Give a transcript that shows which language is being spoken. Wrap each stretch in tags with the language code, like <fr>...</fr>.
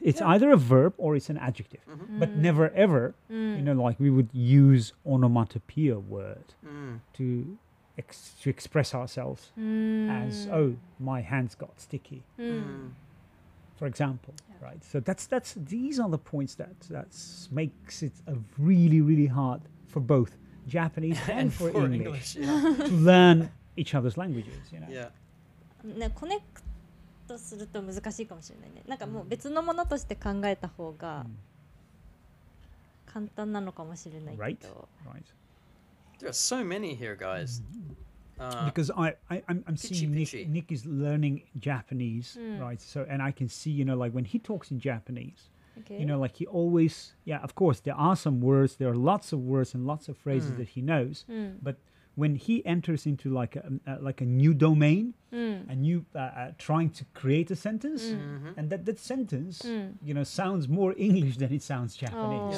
<en>It's either a verb or it's an adjective. But never ever, you know, like we would use onomatopoeia word to express ourselves as, oh, my hands got sticky. For example, right? So these are the points that makes it a really, really hard for both Japanese and for English, to learn each other's languages, you know. Yeah.</en> <ja>コネクトすると難しいかもしれないね。なんかもう別のものとして考えた方が簡単なのかもしれないけど。</ja> <en>Right. Right. There are so many here, guys. Because I'm seeing Nick is learning Japanese, right? So and I can see, you know, like when he talks in Japanese. Okay. You know, like he always, yeah, of course, there are some words, there are lots of words and lots of phrases that he knows. But when he enters into like a new domain, a new trying to create a sentence, and that sentence, you know, sounds more English than it sounds Japanese.</en>